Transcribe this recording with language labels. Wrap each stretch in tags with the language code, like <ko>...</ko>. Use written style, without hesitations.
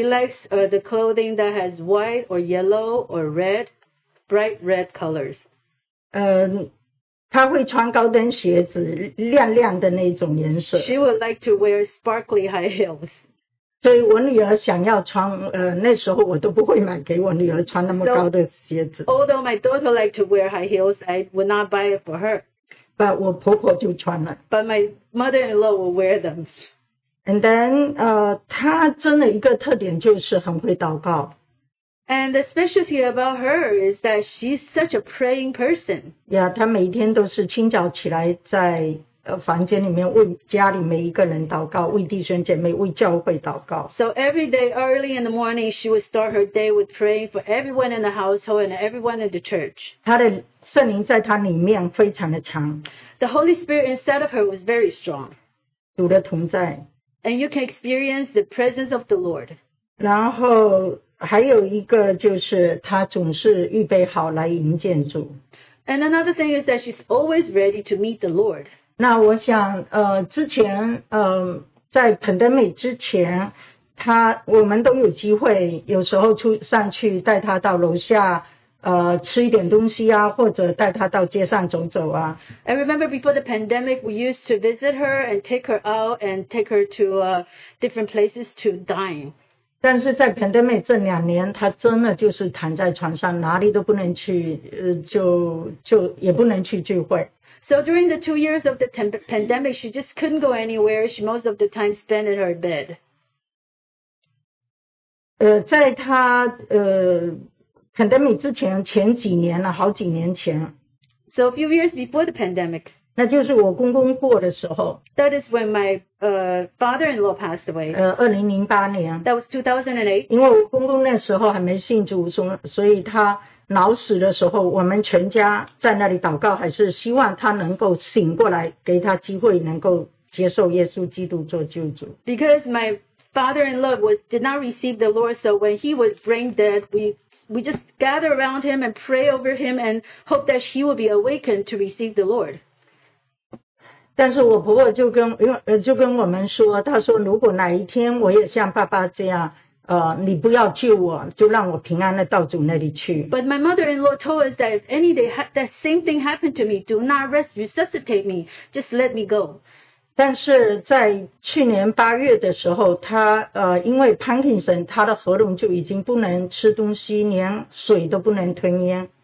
<en>likes the clothing that has white or yellow or red, bright red colors.</en> <zh>她会穿高跟鞋子，亮亮的那种颜色。</zh> <en>She would like to wear sparkly high heels.</en> <zh>所以我女儿想要穿，那时候我都不会买给我女儿穿那么高的鞋子。</zh> <en>So, although my daughter liked to wear high heels, I would not buy it for her. But</en> <zh>我婆婆就穿了。But</zh> <en>my mother-in-law will wear them. And then,</en> <zh>她真的一个特点就是很会祷告。</zh> <en>And the specialty about her is that she's such a praying person. Yeah,</en> <zh>她每天都是清早起来在 房间里面为家里每一个人祷告，为弟兄姐妹，为教会祷告。</zh> <en>So every day early in the morning, she would start her day with praying for everyone in the household and everyone in the church.</en> <zh>她的圣灵在她里面非常的强。</zh> <en>The Holy Spirit inside of her was very strong.</en> <zh>主的同在。</zh> <en>And you can experience the presence of the Lord.</en> <zh>然后还有一个就是她总是预备好来迎接主。</zh> <en>And another thing is that she's always ready to meet the Lord.</en> <zh>那我想，之前，在 pandemic 之前，她我们都有机会，有时候出上去带她到楼下，吃一点东西啊，或者带她到街上走走啊。</zh> <en>I remember before the pandemic, we used to visit her and take her out and take her to different places to dine.</en> <zh>但是在 pandemic 这两年，她真的就是躺在床上，哪里都不能去，就也不能去聚会。</zh> <en>So during the 2 years of the pandemic, she just couldn't go anywhere. She most of the time spent in her bed.</en> <zh>在她pandemic 之前，前几年了，好几年前。</zh> <en>So a few years before the pandemic.</en> <zh>那就是我公公过的时候。</zh> <en>That is when my father-in-law passed away.</en> <zh>2008年。</zh> <en>That was 2008.</en> <zh>因为我公公那时候还没信主，所以他 老死的时候，我们全家在那里祷告，还是希望他能够醒过来，给他机会能够接受耶稣基督做救主。</zh> <en>Because my father-in-law did not receive the Lord, so when he was brain dead, we we just gather around him and pray over him and hope that he will be awakened to receive the Lord.</en> <zh>但是我婆婆就跟我们说，她说如果哪一天我也像爸爸这样，你不要救我，就让我平安的到主那里去。</zh> <en>But my mother-in-law told us that if any day that same thing happened to me, do not resuscitate me, just let me go.</en> <zh>但是在去年八月的时候，他因为 Parkinson，他的喉咙就已经不能吃东西，连水都不能吞咽。</zh>